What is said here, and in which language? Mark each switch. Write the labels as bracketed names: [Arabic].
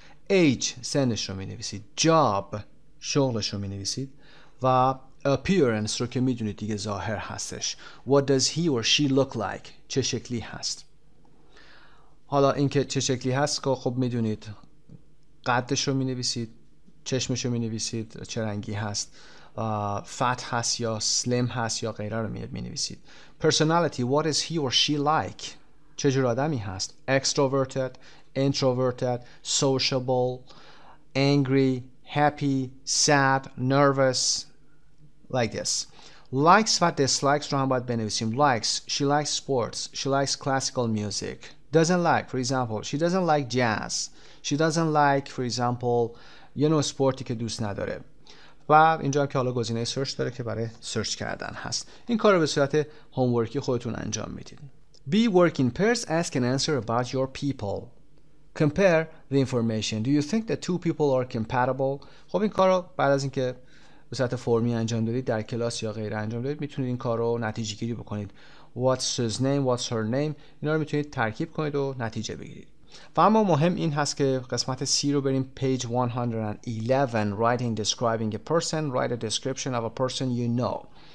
[Persian] age سنش رو می نویسید، job شغلش رو می نویسید و appearance رو که می دونید دیگه ظاهر هستش، [English] what does he or she look like، [Persian] چه شکلی هست. حالا اینکه چه شکلی هست که خب می دونید، قدش رو می نویسید، چشمش رو می نویسید، چه رنگی هست، fat هست یا slim هست یا غیره رو می نویسید. [English] Personality, what is he or she like؟ [Persian] چه جور آدمی هست؟ [English] Extroverted, introverted, sociable, angry, happy, sad, nervous, like this. [Persian] Likes و dislikes رو هم باید بنویسیم. [English] Likes, she likes sports, she likes classical music. Doesn't like, for example, she doesn't like jazz. She doesn't like, for example, you know, sporty [Persian] که دوست نداره. و اینجا هم که حالا گزینه سرچ داره که برای سرچ کردن هست. این کار رو به صورت هومورکی خودتون انجام میدید. [English] Be working pairs, ask and answer about your people. Compare the information. Do you think that two people are compatible? [Persian] خب این کار رو بعد از اینکه به صورت فرمی انجام دادید، در کلاس یا غیر انجام دادید، میتونید این کار رو نتیجه گیری بکنید. [English] What's his name? What's her name? [Persian] اینا رو میتونید ترکیب کنید و نتیجه بگیرید. و اما مهم این هست که قسمت C رو بریم، [English] page 111, writing describing a person, write a description of a person you know.